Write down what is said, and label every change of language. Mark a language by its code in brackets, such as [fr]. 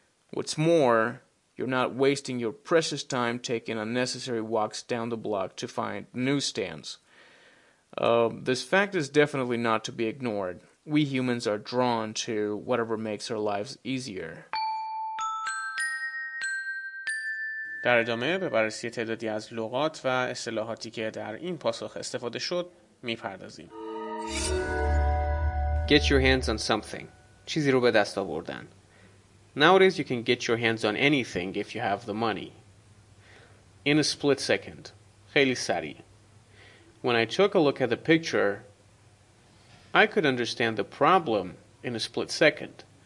[en] What's more, you're not wasting your precious time taking unnecessary walks down the block to find newsstands. This fact is definitely not to be ignored. We humans are drawn to whatever makes our lives easier. [fa] در ادامه به بررسی تعدادی از لغات و اصطلاحاتی که در این پاسخ استفاده شد میپردازیم. [en] Get your hands on something. [fa] چیزی رو به دست آوردن. [en] Nowadays you can get your hands on anything if you have the money. In a split second. [fa] خیلی سریع. [en] When I took a look at the picture, I could understand the problem in a split second.